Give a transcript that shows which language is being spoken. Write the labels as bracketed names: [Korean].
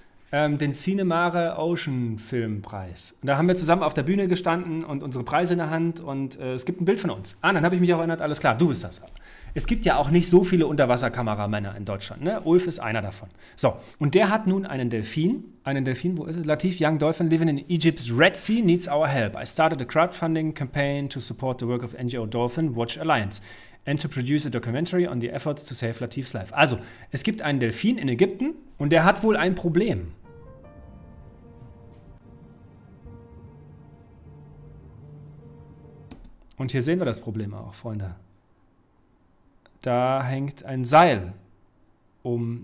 [German] Den Cinemare Ocean Filmpreis. Und da haben wir zusammen auf der Bühne gestanden und unsere Preise in der Hand und es gibt ein Bild von uns. Ah, dann habe ich mich auch erinnert, alles klar, du bist das. Es gibt ja auch nicht so viele Unterwasserkameramänner in Deutschland, ne? Ulf ist einer davon. So, und der hat nun einen Delfin, wo ist es? [English] Latif, young dolphin living in Egypt's Red Sea needs our help. I started a crowdfunding campaign to support the work of NGO Dolphin Watch Alliance and to produce a documentary on the efforts to save Latifs life. [German] Also, es gibt einen Delfin in Ägypten und der hat wohl ein Problem. Und hier sehen wir das Problem auch, Freunde. Da hängt ein Seil um.